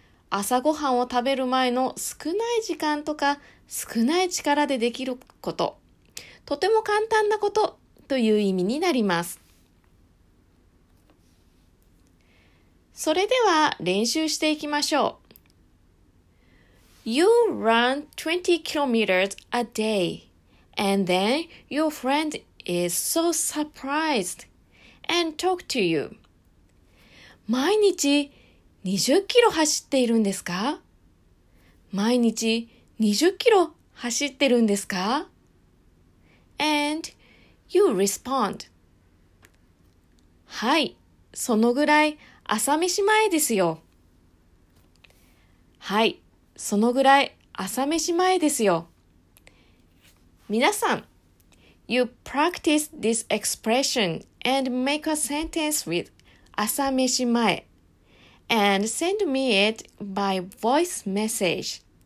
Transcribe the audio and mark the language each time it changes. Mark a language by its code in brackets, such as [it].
[ja] 朝ごはんを食べる前の少ない時間とか少ない力でできること。とても簡単なことという意味になります。それでは練習していきましょう。 [en] You run 20 kilometers a day, and then your friend is so surprised. And talk to you. [ja] 毎日20キロ走っているんですか？毎日20キロ走ってるんですか？ [en] And you respond. [ja] はい、そのぐらい朝飯前ですよ。はい、そのぐらい朝飯前ですよ。皆さん、 [en] You practice this expression and make a sentence with 朝飯前 and send me it by voice message.